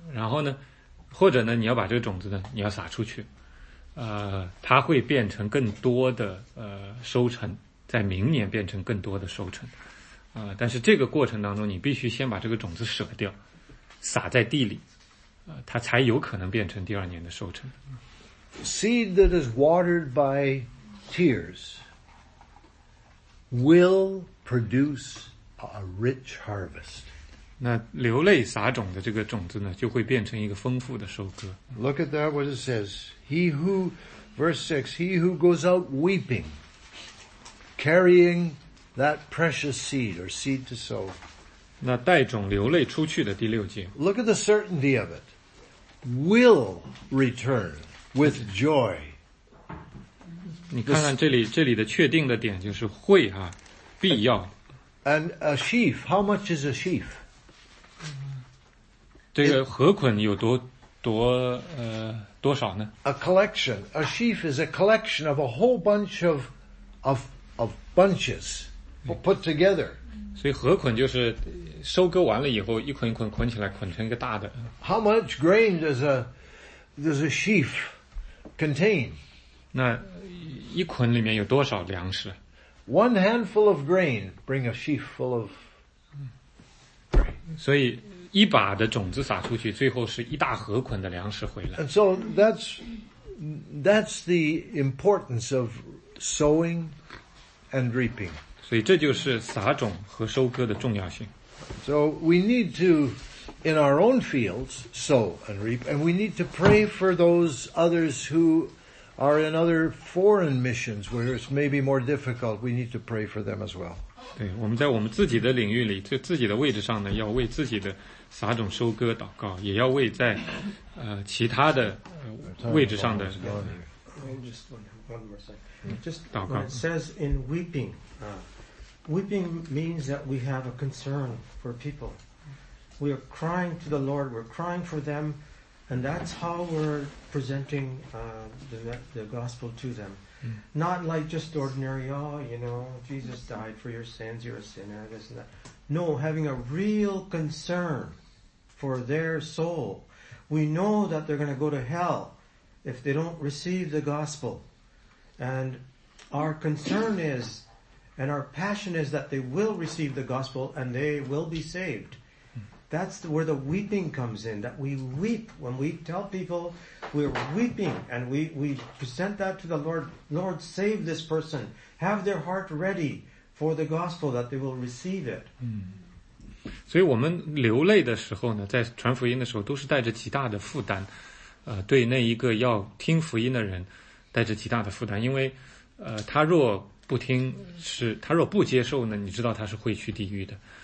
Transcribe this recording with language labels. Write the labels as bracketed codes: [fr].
[zh] 然后呢，或者呢你要把这个种子呢你要撒出去，它会变成更多的收成，在明年变成更多的收成，但是这个过程当中，你必须先把这个种子舍掉，撒在地里，它才有可能变成第二年的收成。 [en] Seed that is watered by tears will produce a rich harvest. [zh] 那流泪撒种的这个种子呢，就会变成一个丰富的收割。 [en] Look at that, what it says. Verse 6, he who goes out weeping, carrying that precious seed or seed to sow. [zh] 那带种流泪出去的第六节。 [en] Look at the certainty of it. will return with joy. [zh] 你看看这里，这里的确定的点就是会啊，必要。 [en] And a sheaf, how much is a sheaf? [zh] 这个禾捆有多多多少呢 [en] ？A collection, a sheaf is a collection of a whole bunch of bunches put together. [zh] 所以禾捆就是收割完了以后一捆一捆捆起来捆成一个大的。 [en] How much grain does a sheaf contain? [zh] 那一捆里面有多少粮食？ [en] One handful of grain bring a sheaf full of grain. [zh] 所以一把的种子撒出去最后是一大禾捆的粮食回来。 [en] And so that's the importance of sowing and reaping. [zh] 所以这就是撒种和收割的重要性。 [en] So we need to, in our own fields, sow and reap, and we need to pray for those others who are in other foreign missions where it's maybe more difficult, we need to pray for them as well. [zh] 对，我们在我们自己的领域里，就自己的位置上呢，要为自己的撒种收割祷告，也要为在其他的位置上的祷告。 [en] It says in weeping, weeping means that we have a concern for people. We are crying to the Lord, we're crying for them,And that's how we're presenting the gospel to them. Not like just ordinary, oh, you know, Jesus died for your sins, you're a sinner, this and that. No, having a real concern for their soul. We know that they're going to go to hell if they don't receive the gospel. And our concern is, and our passion is that they will receive the gospel and they will be saved. That's where the weeping comes in, that we weep when we tell people we're weeping and we present that to the Lord. Lord, save this person. Have their heart ready for the gospel that they will receive it.、 [zh] 嗯、所以我们流泪的时候呢，在传福音的时候都是带着极大的负担、对那一个要听福音的人带着极大的负担，因为、他若不听是他若不接受呢，你知道他是会去地狱的。